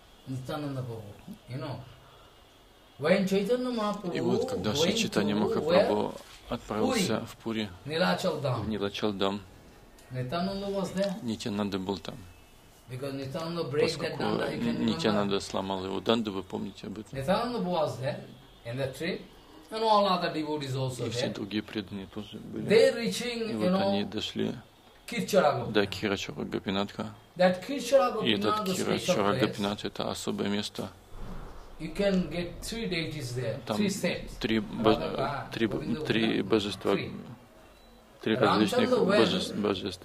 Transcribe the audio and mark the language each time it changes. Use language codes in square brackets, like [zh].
[ru] И вот когда Шри Чайтанья Махапрабху отправился в Пури, в Нилачал Дам, Нитянанда был там. Поскольку Нитянанда сломал его Данду, вы помните об этом? [en] Nitananda was there in the trip, and all other devotees also there. [ru] И все другие преданные тоже были. [en] They're reaching, [ru] и вот они дошли до Кхирачхара Гопинатха. И этот Кхирачхара Гопинатха – это особое место. [en] You can get three deities there, [ru] там [en] three saints. [ru] Три божества. Три различных божеств.